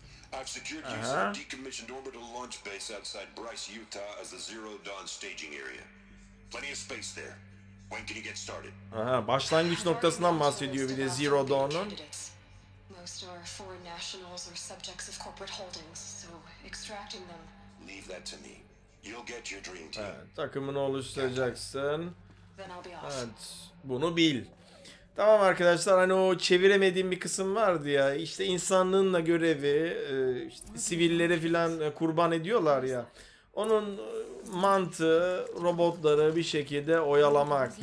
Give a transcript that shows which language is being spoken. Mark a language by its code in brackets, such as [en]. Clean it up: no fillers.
[en] I've secured you some decommissioned orbital launch base outside Bryce, Utah as the Zero Dawn staging area. Plenty of space there. When can you get started? [tr] Aha, başlangıç noktasından bahsediyor bir de Zero Dawn'un. [en] Most are foreign nationals or subjects of corporate holdings, so extracting them. Leave that to me. You'll get your dream team. [tr] Evet, takımını oluşturacaksın. Evet, bunu bil. Tamam arkadaşlar, hani o çeviremediğim bir kısım vardı ya, işte insanlığın da görevi, işte sivillere filan kurban ediyorlar ya, onun mantığı robotları bir şekilde oyalamak.